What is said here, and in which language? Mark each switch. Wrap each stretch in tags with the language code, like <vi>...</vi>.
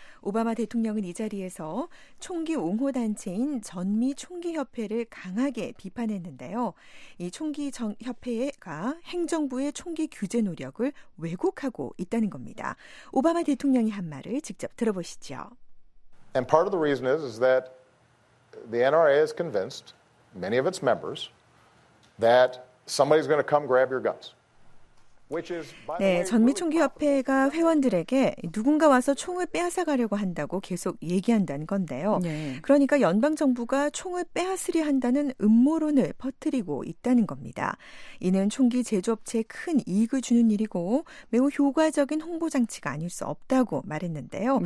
<ko>오바마 대통령은 이 자리에서 총기 옹호단체인 전미 총기협회를 강하게 비판했는데요. 이 총기협회가 행정부의 총기 규제 노력을 왜곡하고 있다는 겁니다. 오바마 대통령이 한 말을 직접 들어보시죠.</ko> <en>And part of the reason is that the NRA is convinced, many of its members, that somebody's going to come grab your guns.</en> <ko>네, 전미총기협회가 회원들에게 누군가 와서 총을 빼앗아가려고 한다고 계속 얘기한다는 건데요. 네. 그러니까 연방정부가 총을 빼앗으려 한다는 음모론을 퍼뜨리고 있다는 겁니다. 이는 총기 제조업체에 큰 이익을 주는 일이고 매우 효과적인 홍보장치가 아닐 수 없다고 말했는데요.</ko>